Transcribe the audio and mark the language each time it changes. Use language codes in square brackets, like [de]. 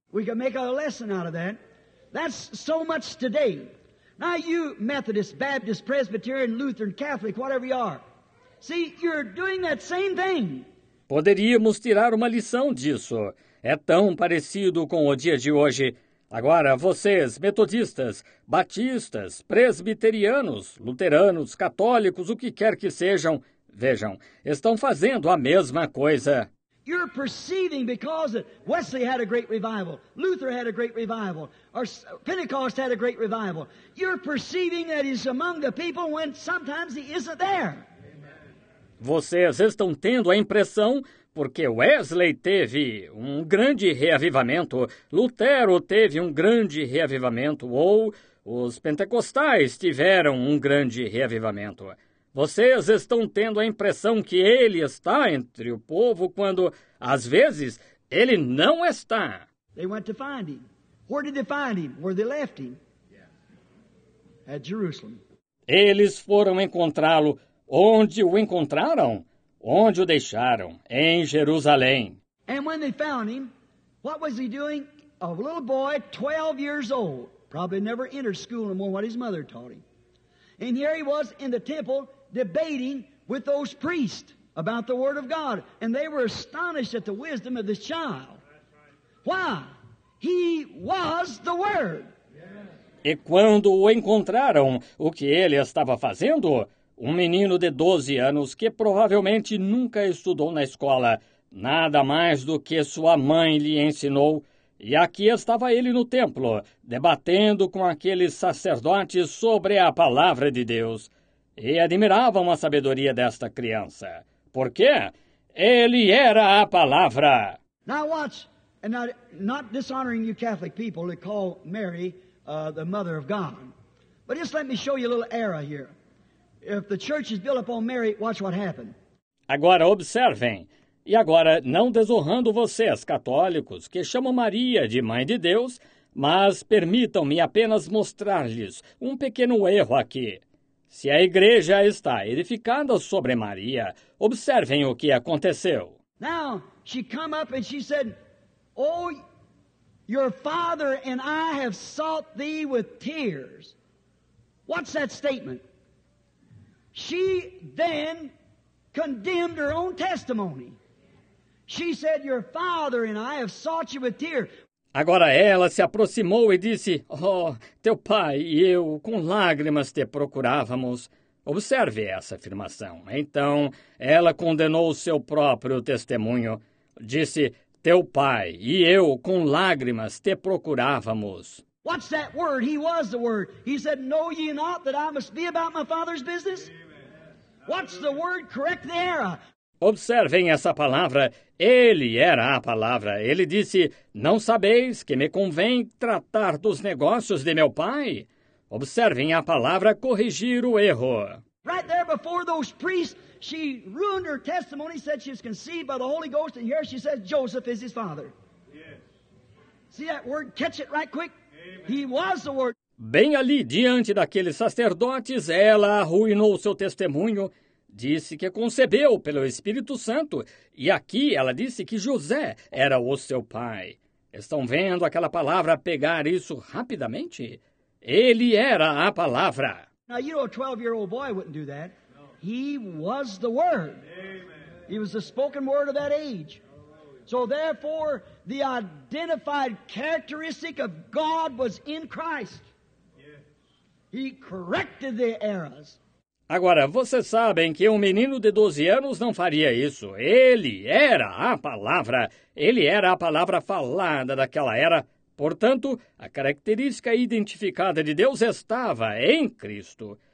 [en] We can make a lesson out of that. That's so much today. Now you Methodist, Baptist, Presbyterian, Lutheran, Catholic, whatever you are. See, you're doing that same thing. [pt] Poderíamos tirar uma lição disso. É tão parecido com o dia de hoje. Agora, vocês, metodistas, batistas, presbiterianos, luteranos, católicos, o que quer que sejam, vejam, estão fazendo a mesma coisa. [en] You're perceiving because Wesley had a great revival, Luther had a great revival, or Pentecost had a great revival. You're perceiving that he's among the people when sometimes he isn't there. [pt] Vocês estão tendo a impressão, porque Wesley teve um grande reavivamento, Lutero teve um grande reavivamento, ou os pentecostais tiveram um grande reavivamento. Vocês estão tendo a impressão que ele está entre o povo quando, às vezes, ele não está. [en] They went to find him. Where did they find him? Where they left him? Yeah. At Jerusalem. [pt] Eles foram encontrá-lo. Onde o encontraram? Onde o deixaram? Em Jerusalém. [en] And when they found him, what was he doing? A little boy, 12 years old, probably never entered school no more what his mother taught him. And here he was in the temple debating with those priests about the Word of God. And they were astonished at the wisdom of this child. Why? He was the Word. [pt] E quando o encontraram, o que ele estava fazendo? Um menino de 12 anos que provavelmente nunca estudou na escola, nada mais do que sua mãe lhe ensinou. E aqui estava ele no templo, debatendo com aqueles sacerdotes sobre a palavra de Deus. E admiravam a sabedoria desta criança. Por quê? Ele era a palavra. [en] Now watch, and not dishonoring you Catholic people that call Mary the mother of God. But just let me show you a little error here. If the church is built upon Mary, watch what happened. [pt] Agora observem. E agora, não desonrando vocês, católicos, que chamam Maria de Mãe de Deus, mas permitam-me apenas mostrar-lhes um pequeno erro aqui. Se a igreja está edificada sobre Maria, observem o que aconteceu. [en] Now, she come up and she said, oh, your father and I have sought thee with tears. What's that statement? She then condemned her own testimony. She said, your father and I have sought you with tears. [pt] Agora ela se aproximou e disse, oh, teu pai e eu com lágrimas te procurávamos. Observe essa afirmação. Então, ela condenou o seu próprio testemunho. Disse, teu pai e eu com lágrimas te procurávamos. [en] What's that word? He was the word. He said, know ye not that I must be about my father's business? What's the word? Correct the error. [pt] Observem essa palavra, ele era a palavra. Ele disse, não sabeis que me convém tratar dos negócios de meu pai? Observem a palavra, corrigir o erro. [en] Right there before those priests, she ruined her testimony, said she was conceived by the Holy Ghost, and here she says, Joseph is his father. Yes. See that word? Catch it right quick. Amen. He was the word. [pt] Bem ali, diante daqueles sacerdotes, ela arruinou seu testemunho. Disse que concebeu pelo Espírito Santo, e aqui ela disse que José era o seu pai. Estão vendo aquela palavra pegar isso rapidamente? Ele era a palavra. [en] Now, you know, a 12-year-old boy wouldn't do that. He was the Word. Amen. He was the spoken Word of that age. So therefore, the identified characteristic of God was in Christ. He corrected the errors. [pt] Agora, vocês sabem que um menino de 12 anos não faria isso. Ele era a palavra. Ele era a palavra falada daquela era. Portanto, a característica identificada de Deus estava em Cristo.